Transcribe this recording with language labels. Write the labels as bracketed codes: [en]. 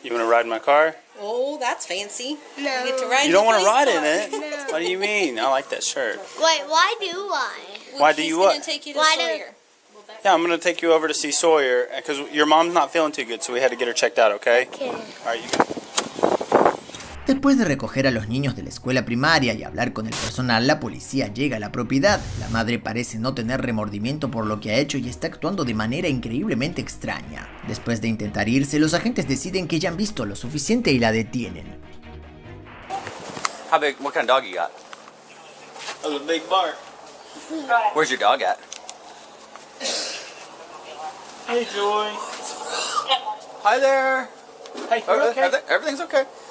[en] You want to ride my car? Oh, that's fancy. No. You get to ride in it. No. What do you mean? I like that shirt. Wait, why do I? He's going to take you to Sawyer. Yeah, I'm going to take you over to see Sawyer, because your mom's not feeling too good, so we had to get her checked out, okay? Okay. All right, [es] Después de recoger a los niños de la escuela primaria y hablar con el personal, la policía llega a la propiedad. La madre parece no tener remordimiento por lo que ha hecho y está actuando de manera increíblemente extraña. Después de intentar irse, los agentes deciden que ya han visto lo suficiente y la detienen. [en] How big, what kind of dog you got? A big bark. Where's your dog at? Hey, Joy. Hi there. Hey, you're okay? Everything's okay.